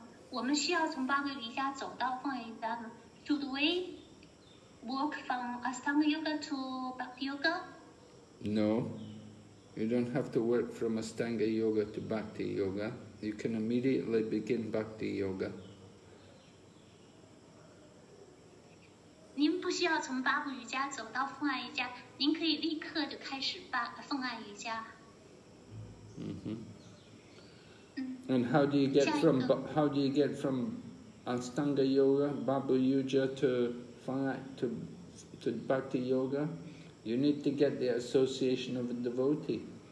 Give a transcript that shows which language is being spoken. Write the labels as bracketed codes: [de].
[zh] 我们需要从八个瑜伽走到风爱瑜伽吗? [en] Should we walk from Astanga Yoga to Bhakti Yoga? No. You don't have to work from Astanga Yoga to Bhakti Yoga. You can immediately begin Bhakti Yoga. [zh] 您不需要从八部瑜伽走到凤爱瑜伽，您可以立刻就开始凤爱瑜伽。 Mm-hmm. [en] And how do you get from Astanga Yoga, Babu Yuja to Bhakti Yoga? You need to get the association of a devotee.